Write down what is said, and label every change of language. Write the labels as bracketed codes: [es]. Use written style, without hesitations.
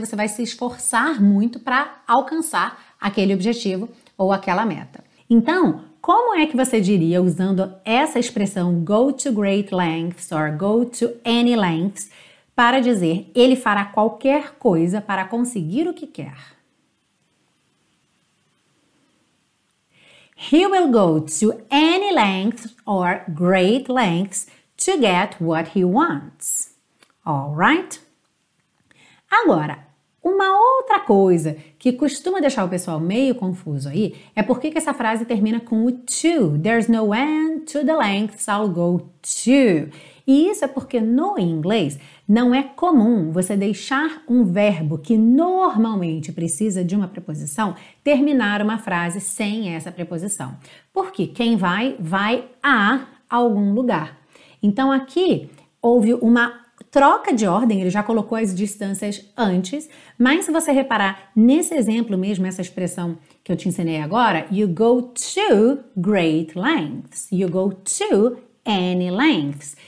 [pt] Você vai se esforçar muito para alcançar aquele objetivo ou aquela meta. Então, como é que você diria, usando essa expressão [en] go to great lengths or go to any lengths, [pt] para dizer ele fará qualquer coisa para conseguir o que quer? [en] He will go to any length or great lengths to get what he wants. All right? [pt] Agora, uma outra coisa que costuma deixar o pessoal meio confuso aí é por que essa frase termina com o to. [en] There's no end to the lengths I'll go to. [pt] E isso é porque no inglês não é comum você deixar um verbo que normalmente precisa de uma preposição terminar uma frase sem essa preposição. Porque quem vai, vai a algum lugar. Então aqui houve uma troca de ordem, ele já colocou as distâncias antes, mas se você reparar nesse exemplo mesmo, essa expressão que eu te ensinei agora, [en] you go to great lengths, you go to any lengths.